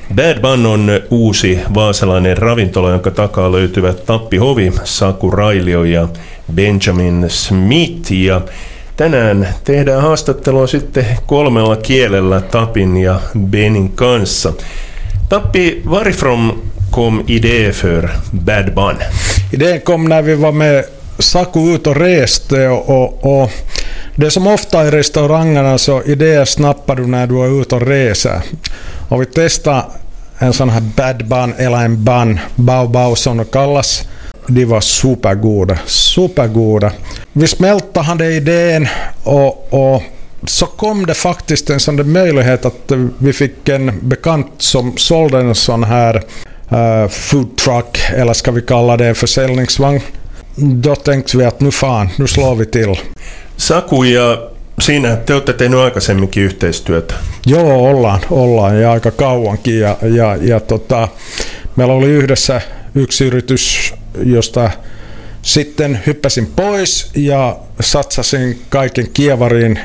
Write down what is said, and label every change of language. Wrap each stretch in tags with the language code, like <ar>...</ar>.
<fi>Bad Bun on uusi vaasalainen ravintola, jonka takaa löytyvät Tappi Hovi, Saku Railio ja Benjamin Smith. Ja tänään tehdään haastattelua sitten kolmella kielellä Tapin ja Benin kanssa.</fi> <sv>Tappi, where from kom idé för Bad Bun? Idén kom när vi var med Saku ut och reste och det som ofta i restaurangerna så idéer snappar du när du är ute och reser. Och vi testar en sån här bad bun eller en bun, bao bao som det kallas. De var supergoda, supergoda. Vi smältade han den idén och så kom det faktiskt en sån möjlighet att vi fick en bekant som sålde en sån här food truck, eller ska vi kalla det en försäljningsvagn. Då tänkte vi att nu fan, nu slår vi till.</sv> <fi>Saku ja sinä, te olette tehneet aikaisemminkin yhteistyötä. Joo, ollaan ja aika kauankin. Ja meillä oli yhdessä yksi yritys, josta sitten hyppäsin pois ja satsasin kaiken kievariin.</fi>